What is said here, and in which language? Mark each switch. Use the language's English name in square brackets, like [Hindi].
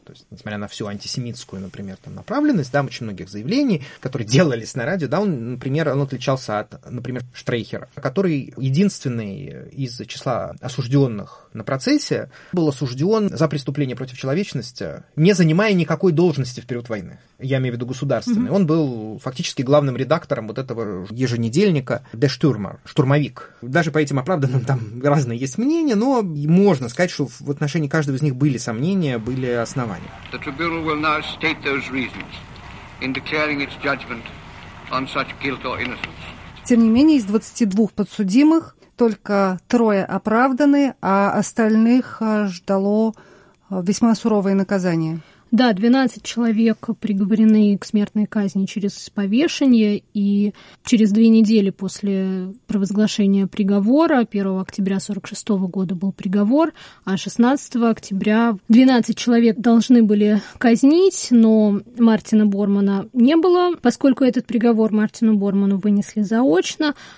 [Russian] То есть, несмотря на всю антисемитскую, например, там, направленность, да, очень многих заявлений, которые делались на радио, да, он, например, он отличался от, например, Штрейхера, который единственный из числа осужденных на процессе был осужден за преступление против человечности, не занимая никакой должности в период войны. Я имею в виду государственный. Mm-hmm. Он был фактически главным редактором вот этого еженедельника «Де Штюрмер», «Штурмовик». Даже по этим оправданным там разные есть мнения, но можно сказать, что в отношении каждого из них были сомнения, были основания. [English] The tribunal will now state those reasons in declaring its judgment on such guilt or innocence. [Russian] Тем не менее, из 22 подсудимых только трое оправданы, а остальных ждало весьма суровое наказание. Да, 12 человек приговорены к смертной казни через повешение, и через 2 недели после провозглашения приговора, 1 октября 1946 года был приговор, а 16 октября 12 человек должны были казнить, но Мартина Бормана не было, поскольку этот приговор Мартину Борману вынесли заочно.